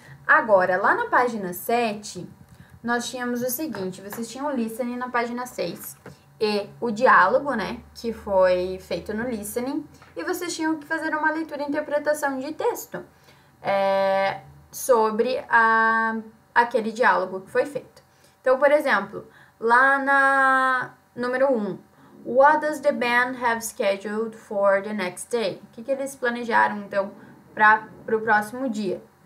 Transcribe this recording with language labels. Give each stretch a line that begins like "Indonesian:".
Portuguese: Agora, lá na página 7, nós tínhamos o seguinte: vocês tinham o listening na página 6 e o diálogo, né, que foi feito no listening, e vocês tinham que fazer uma leitura e interpretação de texto sobre aquele diálogo que foi feito. Então, por exemplo, lá na número 1.
English: What does the band have scheduled for the next day?
Portuguese: O que que eles planejaram então para o próximo dia?